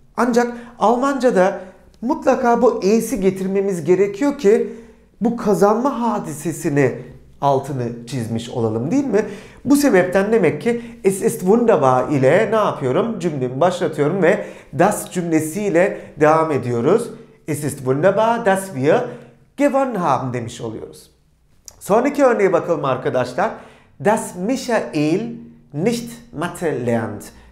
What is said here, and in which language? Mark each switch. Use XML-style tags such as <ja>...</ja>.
<tr>Ancak Almanca'da mutlaka bu is'i getirmemiz gerekiyor ki bu kazanma hadisesini altını çizmiş olalım, değil mi? Bu sebepten demek ki</tr> <de>es ist wunderbar</de> <tr>ile ne yapıyorum? Cümlemi başlatıyorum ve das cümlesiyle devam ediyoruz.</tr> <de>Es ist wunderbar, dass wir gewonnen haben</de> <tr>demiş oluyoruz. Sonraki örneğe bakalım arkadaşlar.</tr> <de>Das Michael nicht Mathe lernt.</de>